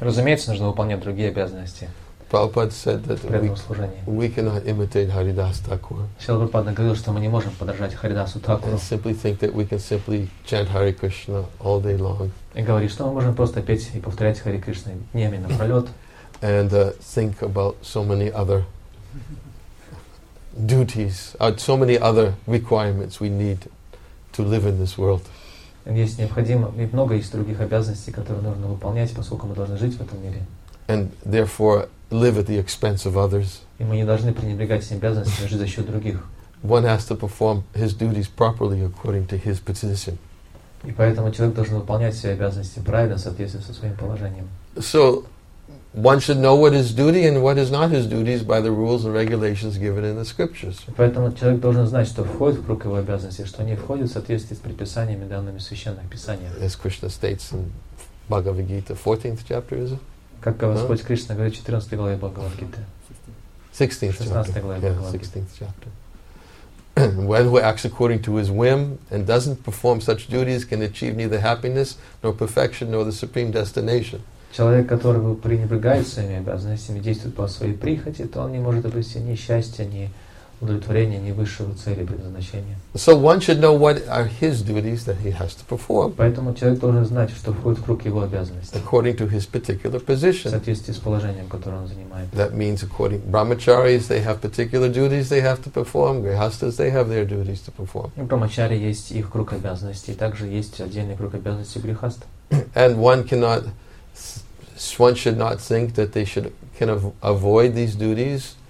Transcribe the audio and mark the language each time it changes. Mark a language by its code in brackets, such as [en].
[ru] Разумеется, нужно выполнять другие обязанности. [en] Prabhupada said that we cannot imitate Haridas Thakur. [ru] Шрила Прабхупада говорил, что мы не можем подражать Харидасу Такуру. [en] And simply think that we can simply chant Hare Krishna all day long. [ru] И говорит, что мы можем просто петь и повторять Харе Кришна днями напролет. [en] And think about so many other duties, so many other requirements we need to live in this world. [ru] Есть необходимо, и много есть других обязанностей, которые нужно выполнять, поскольку мы должны жить в этом мире. [en] And therefore live at the expense of others. [ru] И мы не должны пренебрегать своими обязанностями, жить за счет других. [en] One has to perform his duties properly according to his position. [ru] И поэтому человек должен выполнять свои обязанности правильно, в соответствии со своим положением. [en] So one should know what his duty and what is not his duties by the rules and regulations given in the scriptures. [ru] Поэтому человек должен знать, что входит в круг его обязанностей, что не входит, в соответствии с предписаниями, данными в священных писаниях. [en] As Krishna states in Bhagavad Gita, 14th chapter, is it? [ru] Как Господь Кришна говорит в 14 главе Бхагавад-гиты. 16 главе Бхагавад-гиты. [en] One who acts according to his whim and doesn't perform such duties can achieve neither happiness, nor perfection, nor the supreme destination. [ru] Человек, который пренебрегает своими обязанностями, действует по своей прихоти, то он не может обрести ни счастья, ни удовлетворения, ни высшего цели предназначения. [en] So one should know what are his duties that he has to perform. [ru] Поэтому человек должен знать, что входит в круг его обязанностей. [en] According to his particular position. [ru] В соответствии с положением, которое он занимает. [en] That means according brahmacharis, they have particular duties they have to perform. Grihasthas, they have their duties to perform. [ru] У брахмачари есть их круг обязанностей, также есть отдельный круг обязанностей грихаст. [en] And one should not think that they should kind of avoid these duties.